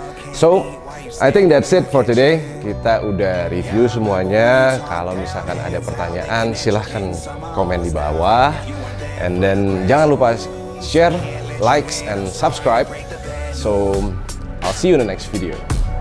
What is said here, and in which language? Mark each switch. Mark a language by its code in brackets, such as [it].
[en] So, I think that's it for today. [id] Kita udah review semuanya. Kalau misalkan ada pertanyaan silahkan komen di bawah. [en] And then [id] jangan lupa [en] share, likes and subscribe. So, I'll see you in the next video.